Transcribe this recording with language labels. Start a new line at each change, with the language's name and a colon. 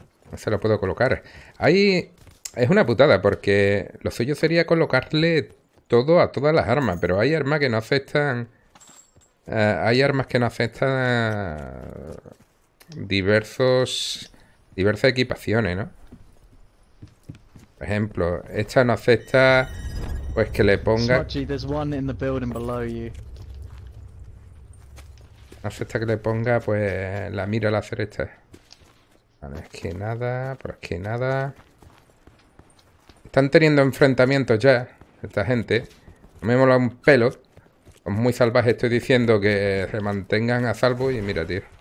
Spanish: No se lo puedo colocar. Ahí es una putada porque lo suyo sería colocarle todo a todas las armas, pero hay armas que no aceptan. Hay armas que no aceptan diversas equipaciones, ¿no? Por ejemplo, esta no acepta pues que le ponga.
English: Smudgy, there's one in the building below you.
Spanish: Acepta que le ponga pues la mira láser esta. Vale, es que nada, por aquí nada. Están teniendo enfrentamientos ya, esta gente. Me he molado un pelo. Es muy salvaje, estoy diciendo que se mantengan a salvo y mira, tío.